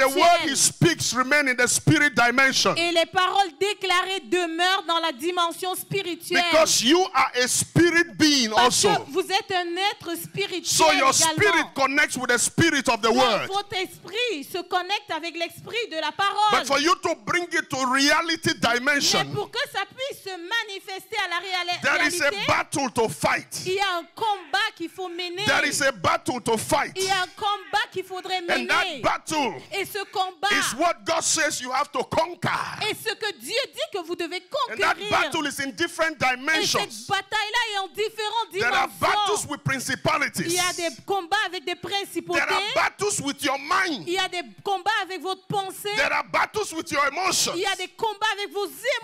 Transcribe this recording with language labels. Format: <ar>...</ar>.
<en>And the word he speaks remain in the spirit dimension.</en> <fr>Et les paroles déclarées demeurent dans la dimension spirituelle.</fr> <en>Because you are a spirit being</en> <fr>parce</fr> <en>also.</en> <fr>Que vous êtes un être spirituel.</fr> <en>So your spirit connects with the spirit of the word.</en> <fr>Votre esprit se connecte avec l'esprit de la parole.</fr> <en>But for you to bring it to reality dimension,</en> <fr>mais pour que ça puisse se manifester à la réalité,</fr> <en>there is a battle to fight.</en> <fr>Il y a un combat qu'il faut mener.</fr> <en>There is a battle to fight.</en> <fr>Il y a un combat qu'il faudrait mener.</fr> <en>And that battle,</en> <fr>et ce combat,</fr> <en>is what God says you have to conquer.</en> <fr>Et ce que Dieu dit que vous devez conquérir.</fr> <en>And that battle is in different dimensions.</en> <fr>Et cette bataille-là est en différents dimensions.</fr> <en>There are battles with principalities.</en> <fr>Il y a des combats avec des principautés.</fr> <en>There are battles with your mind.</en> <fr>Il y a des combats avec votre pensée.</fr> <en>There are battles with your emotions.</en> <fr>Il y a des combats avec vos émotions.</fr>